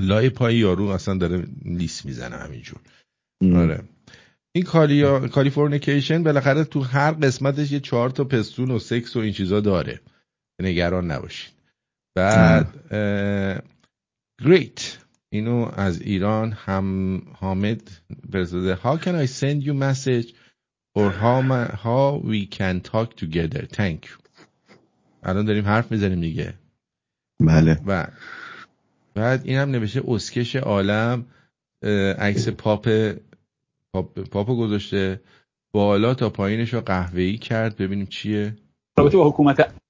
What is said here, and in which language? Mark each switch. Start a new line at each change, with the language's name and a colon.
Persian: لای پای یارو اصلا داره لیس میزنه همینجور. آره این کالیفورنیکیشن بالاخره تو هر قسمتش یه 4 تا پستون و سکس و این چیزا داره، نگران نباشید. بعد great اینو از ایران هم حامد برزده.
English: How can I send you message or how we can talk together. Thank you.
Persian: الان داریم حرف میزنیم دیگه. بله. بعد این هم نوشته اسکش عالم، عکس پاپو گذاشته، بالا تا پایینش رو قهوه‌ای کرد، ببینیم چیه رابطه با حکومت.